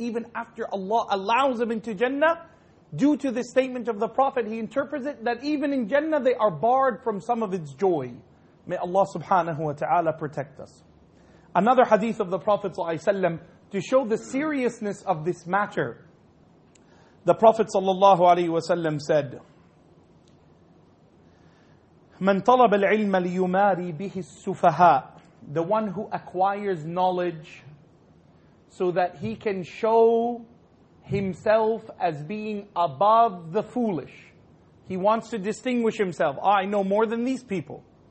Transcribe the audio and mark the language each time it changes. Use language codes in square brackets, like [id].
[en] Even after Allah allows them into Jannah, due to the statement of the Prophet, he interprets it that even in Jannah, they are barred from some of its joy. May Allah subhanahu wa ta'ala protect us. Another hadith of the Prophet ﷺ to show the seriousness of this matter. The Prophet ﷺ said, [ar] مَنْ طَلَبَ الْعِلْمَ لِيُمَارِي بِهِ السُّفَهَاءِ. [en] The one who acquires knowledge so that he can show himself as being above the foolish. He wants to distinguish himself. I know more than these people.